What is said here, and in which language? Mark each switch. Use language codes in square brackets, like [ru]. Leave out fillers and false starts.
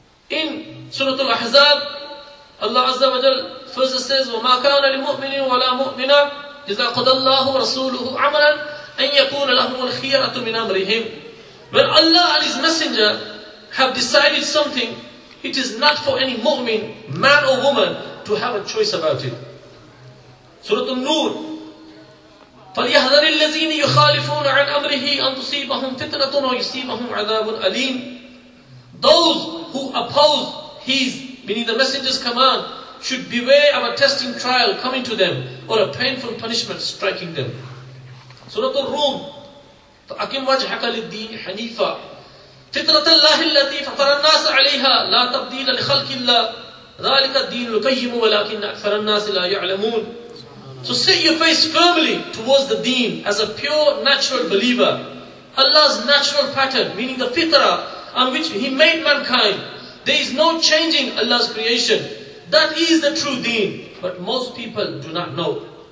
[en] In Surah Al-Ahzab, Allah Azza wa Jal first says, [ar] وَمَا كَانَ لِمُؤْمِنٍ وَلَا مُؤْمِنًا إِذَا قَدَ اللَّهُ وَرَسُولُهُ عَمَلًا أَنْ يَكُونَ لَهُمُ الْخِيَرَةُ مِنْ أَمْرِهِمْ. [en] When Allah and His Messenger have decided something, it is not for any mu'min, man or woman, to have a choice about it. [ar] Surah An-Nur, فَلْيَحْذَرِ الَّذِينِ يُخَالِفُونَ عَنْ أَمْرِهِ أَنْ تُصِيبَهُمْ فِتْنَةٌ وَيُصِيبَهُمْ عَذَابٌ أَلِيمٌ. [en] Those who oppose His, meaning the Messenger's command, should beware of a testing trial coming to them, or a painful punishment striking them. [ar] Surah Ar-Rum, فَأَقِمْ وَجْهَكَ لِلدِّينِ حَنِيفًا. فطرة الله التي فطر الناس عليها لا تبديل لخلق الله ذلك الدين القيم ولكن أكثر الناس لا يعلمون. [en] So set your face firmly towards the deen as a pure natural believer. Allah's natural pattern, meaning the fitra on which He made mankind, there is no changing Allah's creation. That is the true deen, but most people do not know.